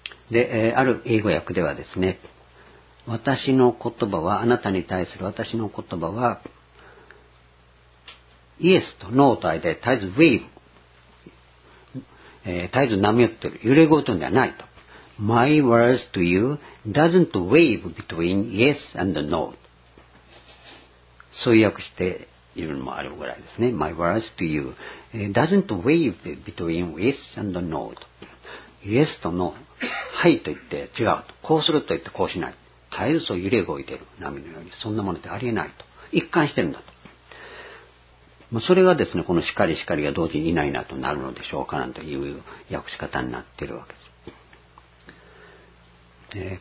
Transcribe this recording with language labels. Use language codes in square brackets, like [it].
[ja] で、ある英語訳ではですね、私の言葉は、あなたに対する私の言葉はイエスとノーと間で絶えずウェーブ、絶えず波打ってる、揺れ動くんではないと。 [en] My words to you doesn't wave between yes and no。 [ja] そう訳しているのもあるぐらいですね。 [en] My words to you doesn't wave between yes and no。 [ja] Yes と no、 はいと言って違うと、こうすると言ってこうしない、絶えずそう揺れ動いている波のように、そんなものってありえないと、一貫してるんだと。それがですね、このしかりしかりが同時にいないなとなるのでしょうか、なんていう訳し方になっているわけです。